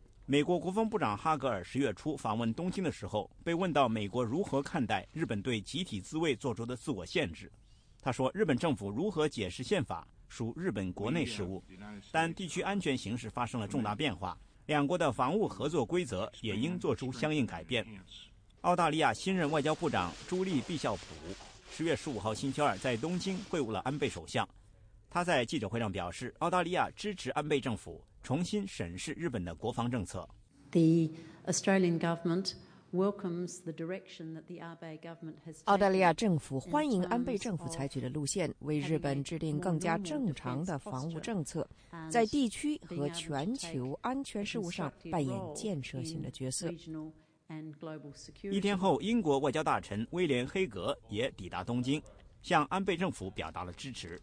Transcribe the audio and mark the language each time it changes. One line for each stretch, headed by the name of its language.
Chinese: 美国国防部长哈格尔10月初访问东京的时候，被问到美国如何看待日本对集体自卫做出的自我限制，他说日本政府如何解释宪法属日本国内事务，但地区安全形势发生了重大变化，两国的防务合作规则也应做出相应改变。澳大利亚新任外交部长朱莉·毕肖普10月15号星期二在东京会晤了安倍首相，他在记者会上表示，澳大利亚支持安倍政府重新审视日本的国防政策。
English: The Australian governmentWelcomes the direction that the Abe government has taken.
Chinese: 澳大利亚政府欢迎安倍政府采取的路线，为日本制定更加正常的防务政策，在地区和全球安全事务上扮演建设性的角色。一天后，英国外交大臣威廉·黑格也抵达东京，向安倍政府表达了支持。